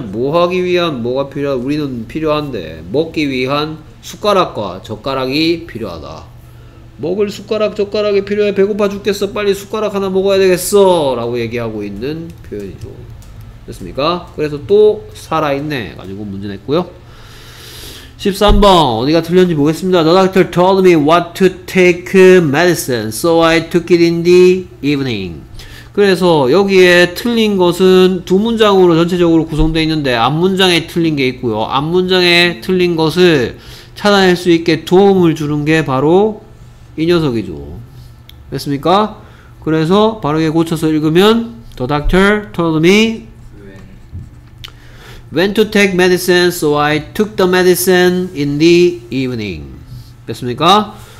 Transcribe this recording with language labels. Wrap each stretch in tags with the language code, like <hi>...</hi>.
<ko>뭐하기 위한 뭐가 필요하냐? 우리는 필요한데 먹기 위한 숟가락과 젓가락이 필요하다. 먹을 숟가락 젓가락이 필요해 배고파 죽겠어 빨리 숟가락 하나 먹어야 되겠어 라고 얘기하고 있는 표현이죠. 됐습니까? 그래서 또 살아있네 가지고 문제 냈고요. 13번 어디가 틀렸는지 보겠습니다.</ko> <en>The doctor told me what to take medicine so I took it in the evening.</en> <ko>그래서 여기에 틀린 것은 두 문장으로 전체적으로 구성되어 있는데 앞 문장에 틀린 게 있고요. 앞 문장에 틀린 것을 찾아낼 수 있게 도움을 주는 게 바로 이 녀석이죠. 됐습니까? 그래서 바르게 고쳐서 읽으면</ko> <en>The doctor told me when to take medicine so I took the medicine in the evening.</en> <ko>됐습니까?</ko>